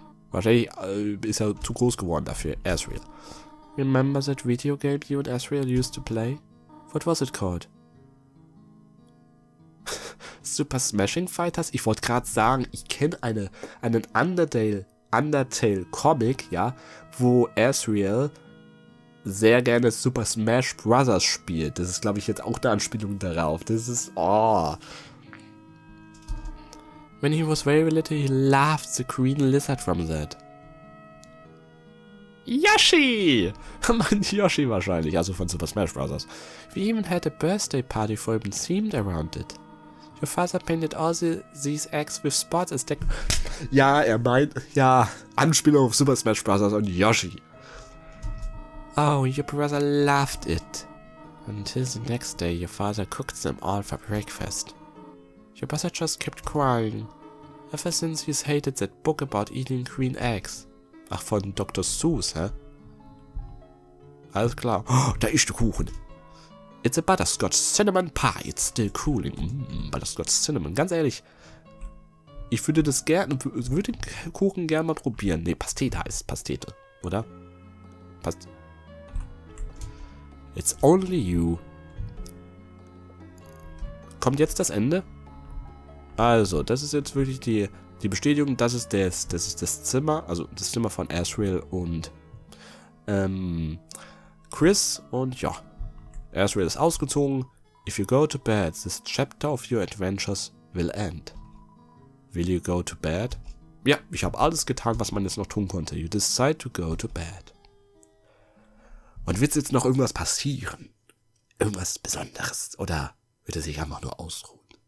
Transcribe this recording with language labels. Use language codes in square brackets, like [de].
[de] Wahrscheinlich ist er zu groß geworden dafür, Azrael. [en] Remember that video game you and Azrael used to play? What was it called? Super Smashing Fighters? [de] Ich wollte gerade sagen, ich kenne einen Undertale Comic, ja, wo Azrael sehr gerne Super Smash Brothers spielt. Das ist, glaube ich, jetzt auch eine Anspielung darauf. Das ist, oh. [en] When he was very little, he loved the green lizard from that. [de] Yoshi! Mein Yoshi wahrscheinlich, also von Super Smash Bros. [en] We even had a birthday party for him themed around it. Your father painted all these eggs with spots as deck. [de] Ja, er meint, ja, Anspielung auf Super Smash Bros. Und Yoshi. [en] Oh, your brother loved it. Until the next day, your father cooked them all for breakfast. Your brother just kept crying. Ever since he's hated that book about eating green eggs. [de] Ach, von Dr. Seuss, hä? Alles klar. Oh, da ist der Kuchen. [en] It's a butterscotch cinnamon pie. It's still cooling. Butterscotch cinnamon. [de] Ganz ehrlich. Ich würde das gerne, würde den Kuchen gerne mal probieren. Nee, Pastete heißt Pastete, oder? [en] It's only you. [de] Kommt jetzt das Ende? Also, das ist jetzt wirklich die Bestätigung, das ist das Zimmer, also das Zimmer von Azrael und Chris und ja. Azrael ist ausgezogen. [en] If you go to bed, this chapter of your adventures will end. Will you go to bed? [de] Ja, ich habe alles getan, was man jetzt noch tun konnte. [en] You decide to go to bed. [de] Und wird jetzt noch irgendwas passieren? Irgendwas Besonderes? Oder wird er sich einfach nur ausruhen?